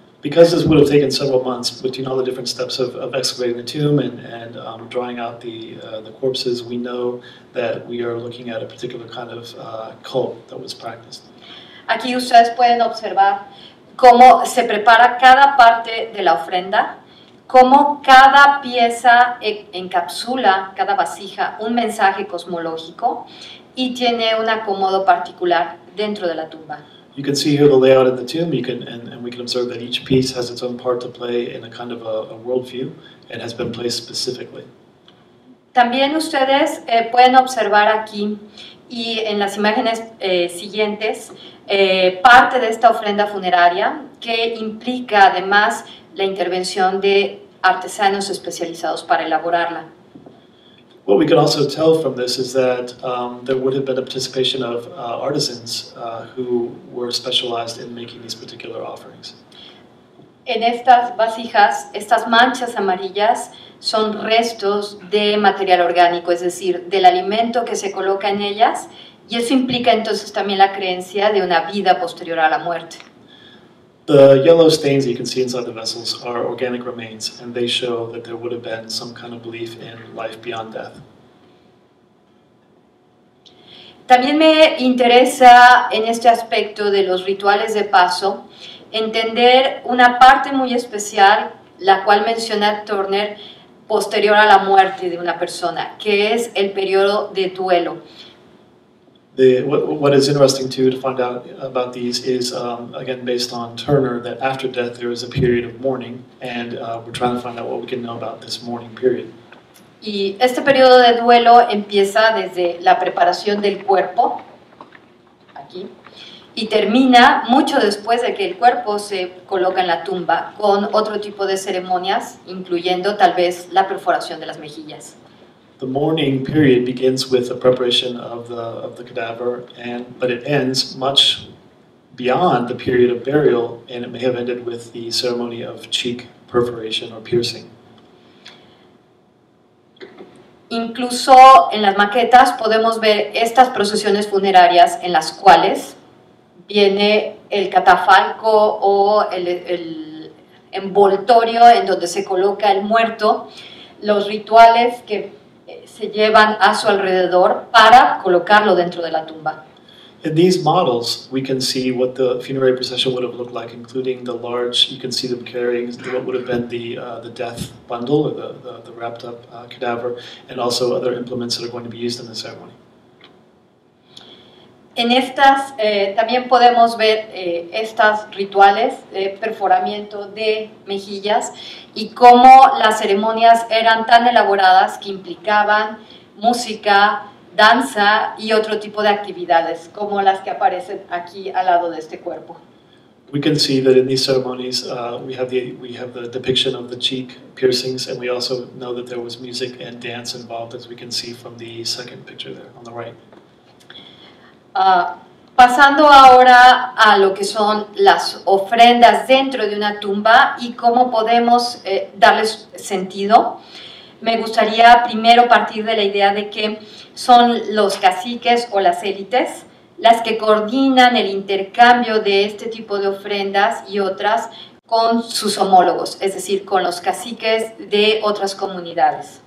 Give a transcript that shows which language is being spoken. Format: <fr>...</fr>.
<en>Because this would have taken several months between all the different steps of excavating the tomb and drying out the corpses, we know that we are looking at a particular kind of cult that was practiced.</en> <es>Aquí ustedes pueden observar cómo se prepara cada parte de la ofrenda, cómo cada pieza encapsula, cada vasija, un mensaje cosmológico y tiene un acomodo particular dentro de la tumba.</es> <en>You can see here the layout in the tomb. You can, and we can observe that each piece has its own part to play in a kind of a worldview and has been placed specifically.</en> <es>También ustedes pueden observar aquí y en las imágenes siguientes parte de esta ofrenda funeraria que implica además la intervención de artesanos especializados para elaborarla.</es> <en>What we can also tell from this is that there would have been a participation of artisans who were specialized in making these particular offerings.</en> <es>En estas vasijas, estas manchas amarillas son restos de material orgánico, es decir, del alimento que se coloca en ellas, y eso implica entonces también la creencia de una vida posterior a la muerte.</es> <en>The yellow stains you can see inside the vessels are organic remains, and they show that there would have been some kind of belief in life beyond death.</en> <es>También me interesa en este aspecto de los rituales de paso entender una parte muy especial, la cual menciona Turner, posterior a la muerte de una persona, que es el periodo de duelo.</es> <en>What is interesting too to find out about these is, again, based on Turner, that after death there is a period of mourning, and we're trying to find out what we can know about this mourning period.</en> <es>Y este periodo de duelo empieza desde la preparación del cuerpo, aquí, y termina mucho después de que el cuerpo se coloca en la tumba, con otro tipo de ceremonias, incluyendo tal vez la perforación de las mejillas.</es> <en>The mourning period begins with the preparation of the cadaver, but it ends much beyond the period of burial, and it may have ended with the ceremony of cheek perforation or piercing.</en> <es>Incluso en las maquetas podemos ver estas procesiones funerarias en las cuales viene el catafalco o el envoltorio en donde se coloca el muerto, los rituales que se llevan a su alrededor para colocarlo dentro de la tumba.</es> <en>In these models, we can see what the funerary procession would have looked like, including the large, you can see them carrying what would have been the death bundle, or the wrapped up cadaver, and also other implements that are going to be used in the ceremony.</en> <es>En estas, también podemos ver estas rituales de perforamiento de mejillas y cómo las ceremonias eran tan elaboradas que implicaban música, danza y otro tipo de actividades, como las que aparecen aquí al lado de este cuerpo.</es> <en>We can see that in these ceremonies we have the depiction of the cheek piercings, and we also know that there was music and dance involved, as we can see from the second picture there on the right.</en> <es>Pasando ahora a lo que son las ofrendas dentro de una tumba y cómo podemos darles sentido, me gustaría primero partir de la idea de que son los caciques o las élites las que coordinan el intercambio de este tipo de ofrendas y otras con sus homólogos, es decir, con los caciques de otras comunidades.</es>